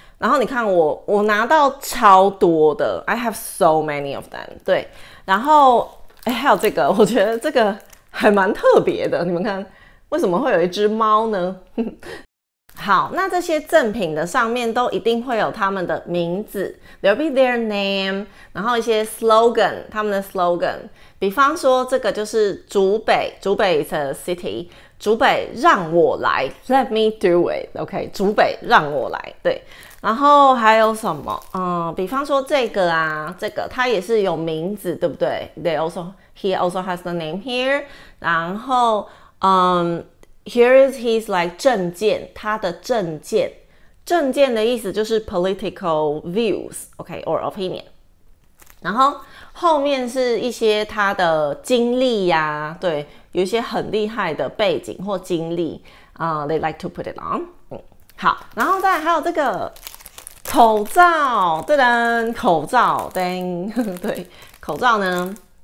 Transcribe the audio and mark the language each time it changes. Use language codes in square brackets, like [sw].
[zh] 然后你看我拿到超多的 ， [en] I have so many of them， [zh] 对。然后还有这个，我觉得这个还蛮特别的，你们看为什么会有一只猫呢？好，那这些赠品的上面都一定会有他们的名字 ， [en] there'll be their name， [zh] 然后一些 slogan， 他们的 slogan。比方说这个就是竹北 [en] is a city， [zh] 竹北让我来 ， [en] let me do it， [zh] OK， 竹北让我来，对。然后还有什么？比方说这个啊，这个它也是有名字，对不对 ？ [en] He also has the name here， [zh] 然后 [en] Here is his like [zh] 政见，他的政见。政见的意思就是 [en] political views， [zh] OK， [en] or opinion。 [zh] 然后后面是一些他的经历呀，对，有一些很厉害的背景或经历啊。 [en] They like to put it on。 [zh] 好，然后再来还有这个口罩，噔噔，口罩，噔，对，口罩呢？